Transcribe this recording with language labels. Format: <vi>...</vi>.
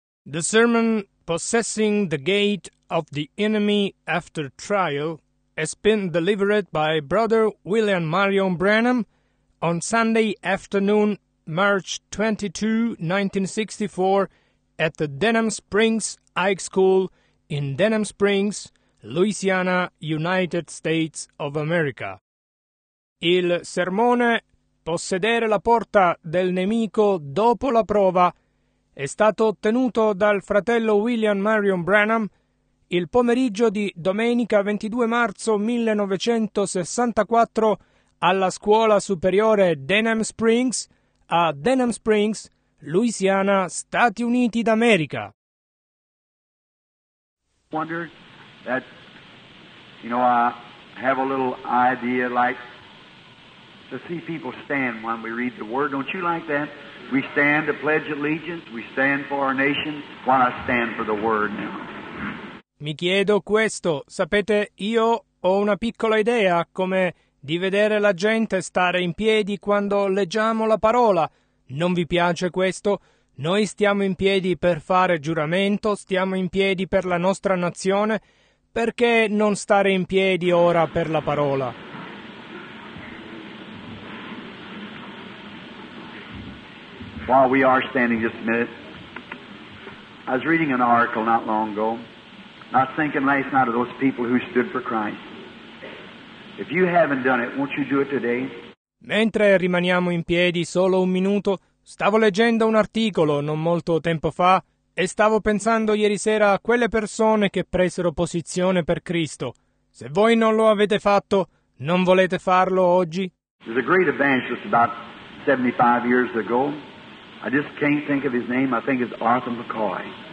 <en>The sermon, Possessing the Gate of the Enemy After Trial, has been delivered by Brother William Marion Branham on Sunday afternoon, March 22, 1964, at the Denham Springs High School in Denham Springs, Louisiana, United States of America.</en> <it>Il sermone, Possedere la porta del nemico dopo la prova, è stato ottenuto dal fratello William Marion Branham il pomeriggio di domenica 22 marzo 1964 alla Scuola Superiore Denham Springs a Denham Springs, Louisiana, Stati Uniti d'America.</it> <en>Wonder that, you know, I have a little idea like to see people stand when we read the word. Don't you like that? We stand to pledge allegiance, we stand for our nation, while I stand for the word now.</en> <it>Mi chiedo questo, sapete, io ho una piccola idea come di vedere la gente stare in piedi quando leggiamo la parola. Non vi piace questo? Noi stiamo in piedi per fare giuramento, stiamo in piedi per la nostra nazione. Perché non stare in piedi ora per la parola?</it> <en>While we are standing just a minute, I was reading an article not long ago. Not thinking last night of those people who stood for Christ. If you haven't done it, won't you do it today?</en> <it>Mentre rimaniamo in piedi solo un minuto, stavo leggendo un articolo non molto tempo fa e stavo pensando ieri sera a quelle persone che presero posizione per Cristo. Se voi non lo avete fatto, non volete farlo oggi?</it> <en>There's a great evangelist about 75 years ago. I just can't think of his name. I think it's Arthur McCoy.</en>